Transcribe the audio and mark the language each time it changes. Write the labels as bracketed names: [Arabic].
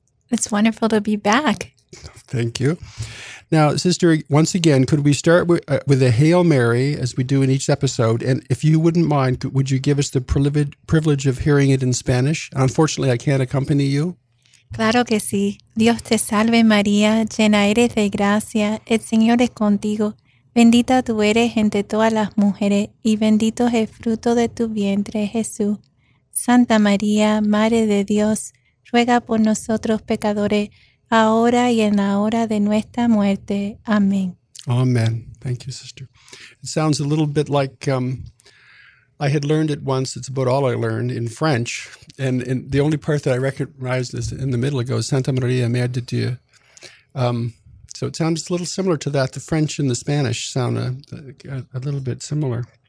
[English] It's wonderful to be back. Thank you. Now, Sister, once again, could we start with a Hail Mary, as we do in each episode? And if you wouldn't mind, would you give us the privilege of hearing it in Spanish? Unfortunately, I can't accompany you. [Spanish] Claro que sí. Dios te salve, María, llena eres de gracia, el Señor es contigo. Bendita tú eres entre todas las mujeres, y bendito es el fruto de tu vientre, Jesús. Santa María, Madre de Dios, ruega por nosotros, pecadores, ahora y en la hora de nuestra muerte. Amén. [English] Amen. Thank you, Sister. It sounds a little bit like I had learned it once. It's about all I learned in French. And the only part that I recognized is in the middle. It goes, Santa María, [French] Mère de Dieu. [English] So it sounds a little similar to that. The French and the Spanish sound a little bit similar.